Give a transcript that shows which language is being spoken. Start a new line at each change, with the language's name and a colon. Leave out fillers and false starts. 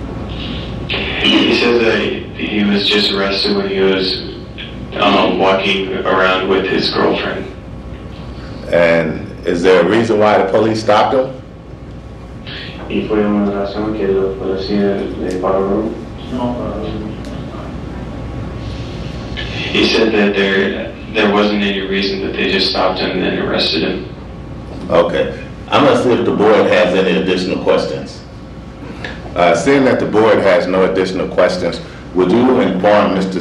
English: He says that he was just arrested when he was walking around with his girlfriend. And is there a reason why the police stopped him?
Spanish: ¿Y fue una razón que la policía le paró?
English: No, he said that there wasn't any reason, that they just stopped him and arrested him. Okay. I'm going to see if the board has any additional questions. Seeing that the board has no additional questions, would you inform Mr.